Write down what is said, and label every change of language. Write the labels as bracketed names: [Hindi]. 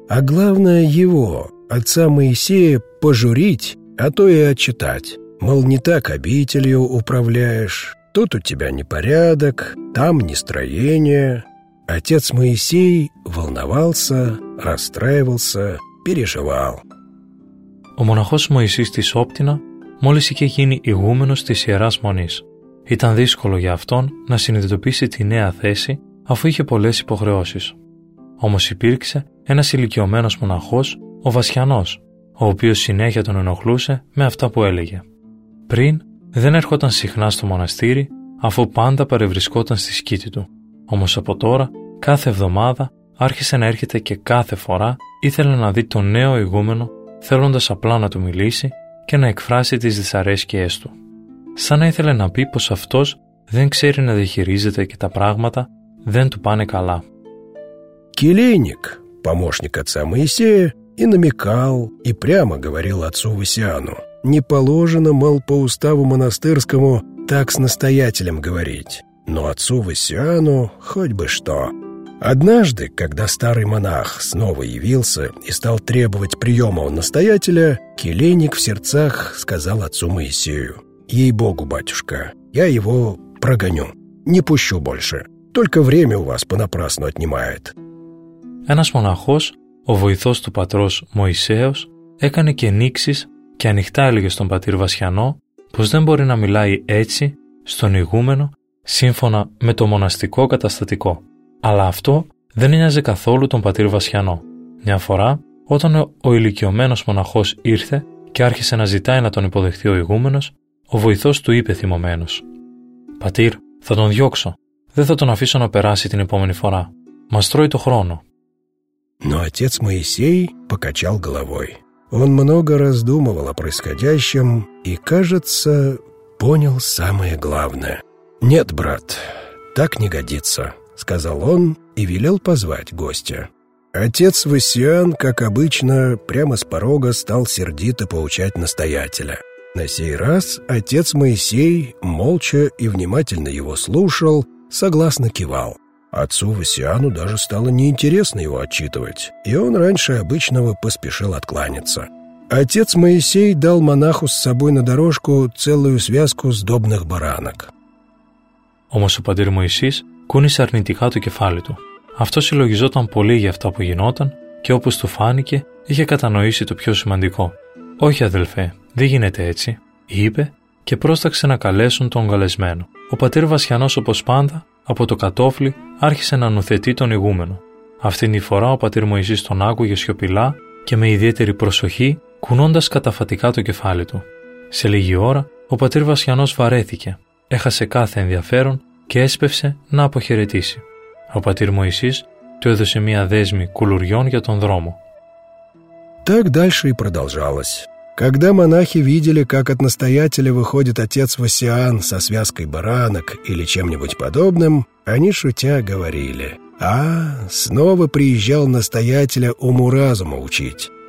[Russian] А главное его, отца Моисея, пожурить, а то и отчитать. Мол, не так обителью управляешь, тут у тебя непорядок, там не строение. Отец Моисей волновался, расстраивался, переживал. [Greek] Ο μοναχός Моисής της Όπτινα μόλις είχε γίνει ηγούμενος της Ιεράς Μονής. Ήταν δύσκολο για αυτόν να συνειδητοποιήσει τη νέα θέση, αφού είχε πολλές υποχρεώσεις. Όμως υπήρξε ένας ηλικιωμένος μοναχός, ο Βασιανός, ο οποίος συνέχεια τον ενοχλούσε με αυτά που έλεγε. Πριν δεν έρχονταν συχνά στο μοναστήρι, αφού πάντα παρευρισκόταν στη σκήτη του. Όμως από τώρα, κάθε εβδομάδα άρχισε να έρχεται και κάθε φορά ήθελε να δει τον νέο ηγούμενο, θέλοντας απλά να του μιλήσει και να εκφράσει τις δυσαρέσκειές του. Σαν να ήθελε να πει πως αυτός δεν ξέρει να διαχειρίζεται και τα πράγματα δεν του πάνε καλά. [Russian] Келейник, помощник отца Моисея, и намекал, и прямо говорил отцу Васиану. Не положено, мол, по уставу монастырскому так с настоятелем говорить. Но отцу Васиану хоть бы что. Однажды, когда старый монах снова явился и стал требовать приема у настоятеля, келейник в сердцах сказал отцу Моисею. «Ей-богу, батюшка, я его прогоню, не пущу больше». Только время у вас понапрасну отнимает». [Greek] Ένας μοναχός, ο βοηθός του πατρός Μωυσέος, έκανε και νήξεις και ανοιχτά έλεγε στον πατήρ Βασιανό πως δεν μπορεί να μιλάει έτσι στον ηγούμενο σύμφωνα με το μοναστικό καταστατικό. Αλλά αυτό δεν νοιάζε καθόλου τον πατήρ Βασιανό. Μια φορά, όταν ο ηλικιωμένος μοναχός ήρθε και άρχισε να ζητάει να τον υποδεχθεί ο ηγούμενος, ο βοηθός του είπε θυμωμένος: «Πατήρ, θα τον διώξω. Δεν θα τον αφήσω να περάσει την επόμενη φορά. Μας τρώει το χρόνο». [Russian] Но отец Моисей покачал головой. Он много раз думал о происходящем и, кажется, понял самое главное. «Нет, брат, так не годится», — сказал он и велел позвать гостя. Отец Васян, как обычно, прямо с порога стал сердито поучать настоятеля. На сей раз отец Моисей молча и внимательно его слушал, согласно кивал. Отцу Васяну даже стало неинтересно его отчитывать, и он раньше обычного поспешил откланяться. Отец Моисей дал монаху с собой на дорожку целую связку сдобных баранок. [Greek] Όμως ο πατήρ Μωυσής κούνησε αρνητικά το κεφάλι του. Αυτό συλλογιζόταν πολύ για αυτά που γινόταν και όπως του φάνηκε είχε κατανοήσει το πιο σημαντικό. «Όχι αδελφέ, δεν γίνεται έτσι», είπε και πρόσταξε να καλέσουν τον καλεσμένο. Ο πατήρ Βασιανός όπως πάντα από το κατόφλι άρχισε να νουθετεί τον ηγούμενο. Αυτή τη φορά ο πατήρ Μωυσής τον άκουγε σιωπηλά και με ιδιαίτερη προσοχή κουνώντας καταφατικά το κεφάλι του. Σε λίγη ώρα ο πατήρ Βασιανός βαρέθηκε, έχασε κάθε ενδιαφέρον και έσπευσε να αποχαιρετήσει. Ο πατήρ Μωυσής του έδωσε μία δέσμη κουλουριών για τον δρόμο. [Russian] Так дальше и продолжалось. Когда монахи видели, как от настоятеля выходит отец Васян со связкой баранок или чем-нибудь подобным, они шутя говорили: «А, снова приезжал настоятеля уму-разуму учить».